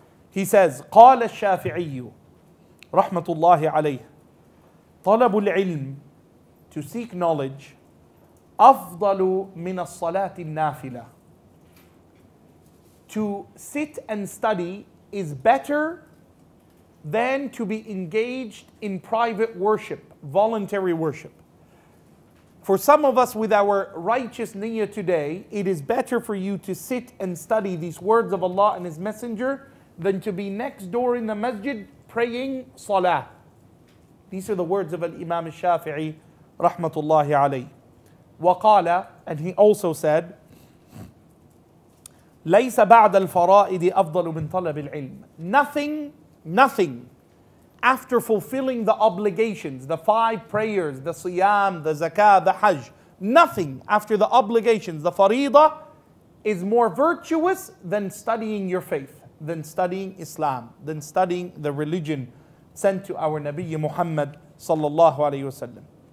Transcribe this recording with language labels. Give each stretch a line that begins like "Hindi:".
English: He says,
Arabic: قال الشافعي رحمة الله عليه طلب العلم,
English: to seek knowledge,
Arabic: أفضل من الصلاة النافلة.
English: To sit and study is better than to be engaged in private worship, voluntary worship. For some of us with our righteous niyyah today, it is better for you to sit and study these words of Allah and His Messenger than to be next door in the masjid praying salah. These are the words of Al-Imam al-Shafi'i, rahmatullahi alayhi.
Arabic: Waqala,
English: and he also said,
Arabic: لَيْسَ بَعْدَ الْفَرَائِدِ أَفْضَلُ مِنْ طَلَبِ الْعِلْمِ.
English: Nothing after fulfilling the obligations, the five prayers, the siyam, the zakah, the hajj, nothing after the obligations, the fariḍa, is more virtuous than studying your faith, than studying Islam, than studying the religion sent to our Nabi Muhammad sallallahu alayhi wa sallam.